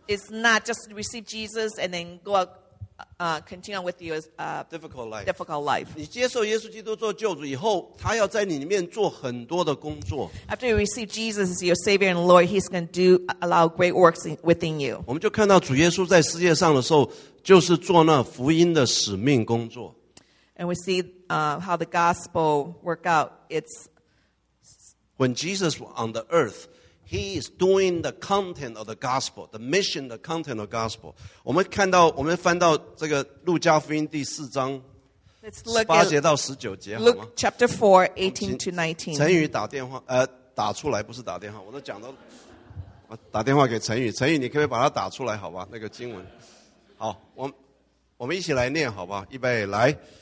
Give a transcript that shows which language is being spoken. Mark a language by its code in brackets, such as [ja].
[en] It's not just receive Jesus and then go continue with your difficult life. [zh] 你接受耶稣基督做救主以后,他要在你里面做很多的工作。 [en] After you receive Jesus as your Savior and Lord, he's going to do a lot of great works within you. [zh] 我们就看到主耶稣在世界上的时候,就是做那福音的使命工作。 [en] And we see how the gospel work out. It's when Jesus was on the earth, he is doing the content of the gospel, the mission, the content of gospel. [zh] 我们翻到这个路加福音第四章, [en] let's look [zh] 18节到19节, [en] Luke chapter 4, 18 to 19. [zh] 陈宇打电话,打出来不是打电话, 我都讲到,打电话给陈宇, 陈宇你可不可以把它打出来好吧, 那个经文, 好,我们一起来念好吧, 预备来,